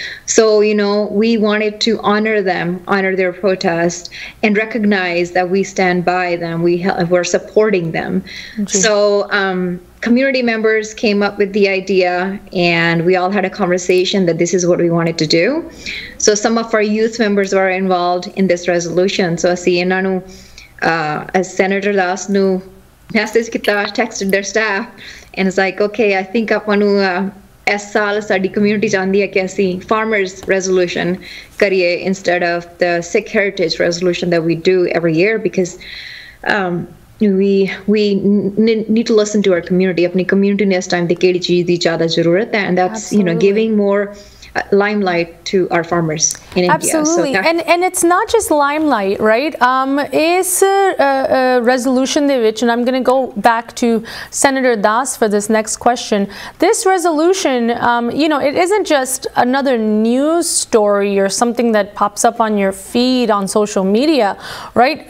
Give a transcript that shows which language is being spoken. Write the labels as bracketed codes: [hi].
[en] So, you know, we wanted to honor them, honor their protest, and recognize that we stand by them, we're supporting them. So community members came up with the idea, and we all had a conversation that this is what we wanted to do. So some of our youth members were involved in this resolution. So [pa] asi enanu [en] as Senator Das nu message kita, texted their staff, and it's like, okay, I think [pa] apanu ਇਸ ਸਾਲ ਸਾਡੀ community ਜਾਣਦੀ ਹੈ ਕਿ ਅਸੀਂ farmers resolution ਕਰੀਏ [en] instead of the Sikh heritage resolution that we do every year because we need to listen to our community [pa] ਆਪਣੀ community ਨੂੰ ਇਸ ਟਾਈਮ 'ਤੇ ਕਿਹੜੀ ਚੀਜ਼ ਦੀ ਜ਼ਿਆਦਾ ਜ਼ਰੂਰਤ ਹੈ [en] And that's you know giving more limelight to our farmers in India. Absolutely. So and it's not just limelight, right? Is a resolution [pa] de vich, [en] and I'm going to go back to Senator Das for this next question. This resolution, you know, it isn't just another news story or something that pops up on your feed on social media, right?